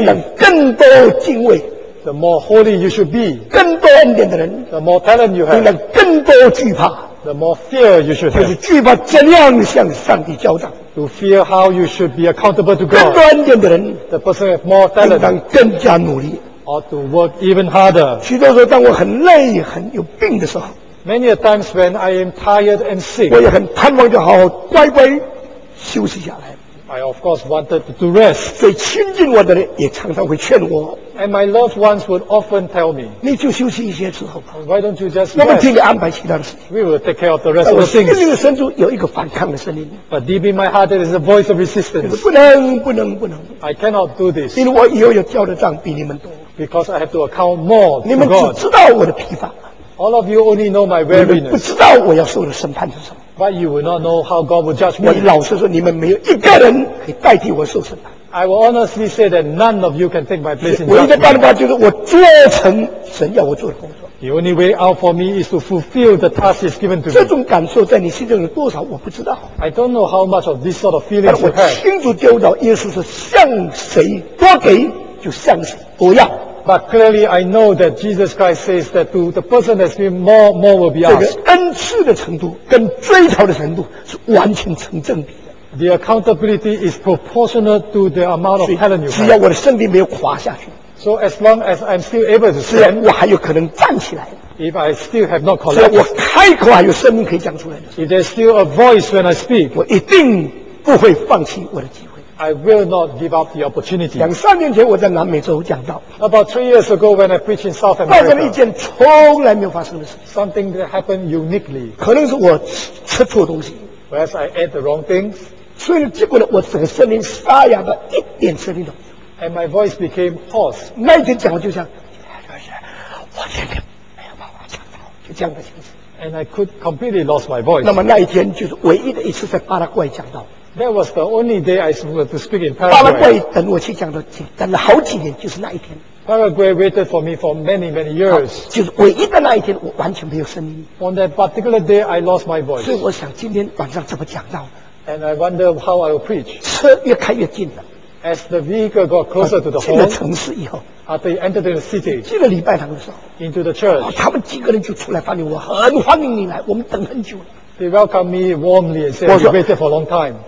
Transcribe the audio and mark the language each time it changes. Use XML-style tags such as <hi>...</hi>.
<zh>应当更多敬畏。</zh> <en>The more holy you should be.</en> <zh>更多恩典的人。</zh> <en>The more talent you have.</en> <zh>应当更多惧怕。</zh> <en>The more fear you should have.</en> <zh>就是惧怕怎样向上帝交账。</zh> <en>To fear how you should be accountable to God.</en> <zh>更多恩典的人。</zh> <en>The person with more talent.</en> <zh>应当更加努力。</zh> <en>Or to work even harder.</en> <zh>许多时候当我很累很有病的时候。</zh> <en>Many a times when I am tired and sick,</en> <zh>我也很盼望就好好乖乖休息下来。</zh> <en>I of course wanted to rest.</en> <zh>最亲近我的人也常常会劝我。</zh> <en>And my loved ones would often tell me,</en> <zh>你就休息一些之后吧。</zh> <en>Why don't you just rest?</en> <zh>我们替你安排其他的事情。</zh> <en>We will take care of the rest of the things.</en> <zh>但我心里的深处有一个反抗的声音。</zh> <en>But deep in my heart there is a voice of resistance.</en> <zh>不能，不能，不能。</zh> <en>I cannot do this.</en> <zh>因为我以后要交的账比你们多。</zh> <en>Because I have to account more to God.</en> <zh>你们只知道我的疲乏。</zh> <en>All of you only know my weariness.</en> <zh>你们不知道我要受的审判是什么。</zh> <en>But you will not know how God will judge me.</en> <zh>我老实说，你们没有一个人可以代替我受审判。</zh> <en>I will honestly say that none of you can take my place in judgment.</en> <zh>唯一的办法就是我做成神要我做的工作。</zh> <en>The only way out for me is to fulfill the task is given to me.</en> <zh>这种感受在你心中有多少，我不知道。</zh> <en>I don't know how much of this sort of feeling you have.</en> <zh>但我清楚知道，耶稣是向谁多给就向谁多要。</zh> <en>But clearly I know that Jesus Christ says that to the person that's been more will be asked.</en> <zh>这个恩赐的程度跟追讨的程度是完全成正比的。</zh> <en>The accountability is proportional to the amount of talent you have.</en> <zh>只要我的身体没有垮下去。</zh> <en>So as long as I'm still able to stand.</en> <zh>只要我还有可能站起来。</zh> <en>If I still have not collapsed.</en> <zh>只要我开口还有生命可以讲出来的。</zh> <en>If there's still a voice when I speak.</en> <zh>我一定不会放弃我的机会。</zh> <en>I will not give up the opportunity.</en> <zh>两三年前我在南美洲讲到。</zh> <en>About 3 years ago when I preached in South America.</en> <zh>发生了一件从来没有发生的事。</zh> <en>Something that happened uniquely.</en> <zh>可能是我吃错东西。</zh> <en>Whereas I ate the wrong things.</en> <zh>所以结果呢，我整个声音沙哑到一点声音都没有。</zh> <en>And my voice became hoarse.</en> <zh>那一天讲我就像，我天天没有办法讲到，就这样的形式。</zh> <en>And I could completely lost my voice.</en> <zh>那么那一天就是唯一的一次在巴拉圭讲到。</zh> <en>That was the only day I was to speak in Paraguay.</en> <zh>巴拉圭等我去讲的，等了好几年，就是那一天。</zh> <en>Paraguay waited for me for many years.</en> <zh>就是唯一的那一天，我完全没有声音。</zh> <en>On that particular day, I lost my voice.</en> <zh>所以我想今天晚上怎么讲到。</zh> <en>And I wonder how I will preach.</en> <zh>车越开越近了。</zh> <en>As the vehicle got closer to the home.</en> <zh>进了城市以后。</zh> <en>After you entered the city.</en> <zh>进了礼拜堂的时候。</zh> <en>Into the church.</en> <zh>他们几个人就出来欢迎我，很欢迎你来，我们等很久了。</zh> <en>They welcomed me warmly and said, "You waited for a long time."</en>